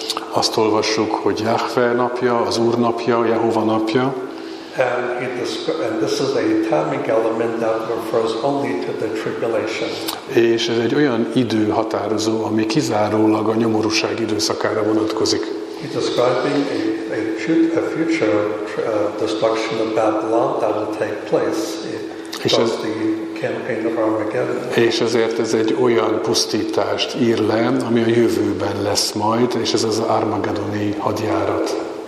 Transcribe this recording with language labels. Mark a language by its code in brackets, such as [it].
[hu] Azt olvassuk, hogy Jahve napja, az Úr napja, Jehova napja. [en] And this is a timing element that refers only to the tribulation. [hu] És ez egy olyan időhatározó, ami kizárólag a nyomorúság időszakára vonatkozik. [en] He's describing a future destruction of Babylon that will take place because the campaign of Armageddon. [hu] És ezért ez egy olyan pusztítást ír le, ami a jövőben lesz majd, és ez az armagedoni hadjárat.